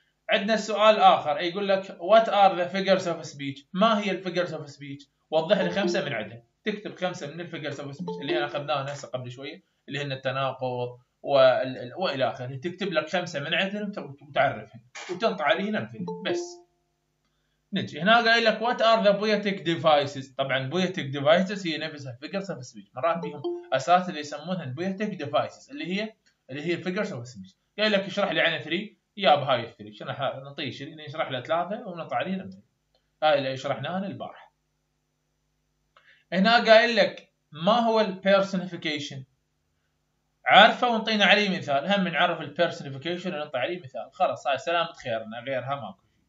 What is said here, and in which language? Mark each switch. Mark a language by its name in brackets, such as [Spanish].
[Arabic] عندنا سؤال آخر يقول لك [English] What are the figures of speech؟ [Arabic] ما هي الفيجرز اوف سبيتش؟ وضح لي خمسة من عندها. تكتب خمسة من الفيجرز اوف سبيتش اللي أنا أخذناها هسه قبل شوية، اللي هن التناقض وإلى آخره. تكتب لك خمسة من عندهم وتعرفهم وتنطع عليه أمثلة. بس نجي هنا قايل لك [English] What are the poetic devices؟ [Arabic] طبعا poetic devices هي نفسها figures of speech. مرات فيهم أساس اللي يسمونها poetic devices اللي هي figures of speech. قايل لك اشرح لي عن 3، يا بهاي الثري شرح، نعطيه شيء نشرح له ثلاثة ونطع عليه أمثلة. هاي اللي شرحناها البارح. هنا قايل لك ما هو ال personification؟ عارفه ونطينا عليه مثال، هم نعرف ال personification ونطي عليه مثال، خلاص هاي سلامة خيرنا، غيرها ماكو.